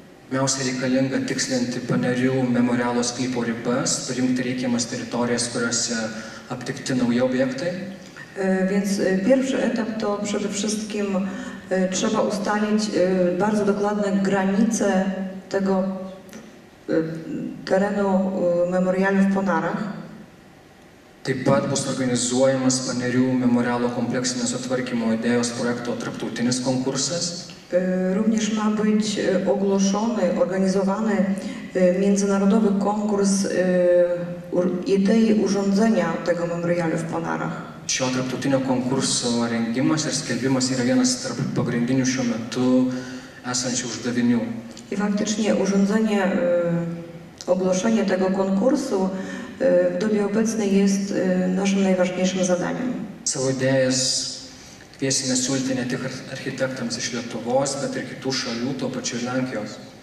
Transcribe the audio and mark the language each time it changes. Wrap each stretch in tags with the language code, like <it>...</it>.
<lt>Pirmiausia reikalinga tikslinti Panerių memorialo sklypo ribas, parinkti reikiamas teritorijas, kuriuose aptikti nauji objektai.</lt> <pl>Więc pierwszy etap to przede wszystkim trzeba ustalić bardzo dokładne granice tego terenu memorialu w Ponarach.</pl> <lt>Taip pat bus organizuojamas Panerių memorialo kompleksinio sutvarkymo idėjos projekto tarptautinis konkursas.</lt> <pl>Również ma być ogłoszony, organizowany międzynarodowy konkurs idei urządzenia tego memorialu w Ponarach.</pl> <lt>Šio tarptautinio konkurso rengimas ir skelbimas yra vienas tarp pagrindinių šiuo metu esančių uždavinių.</lt> <pl>I faktycznie urządzenie, ogłoszenie tego konkursu w dobie obecnej jest naszym najważniejszym zadaniem.</pl> <lt>Savo idėjas kviesime siūlyti ne tik architektams iš Lietuvos, bet ir kitų šalių, to pačiu Lenkijos.</lt>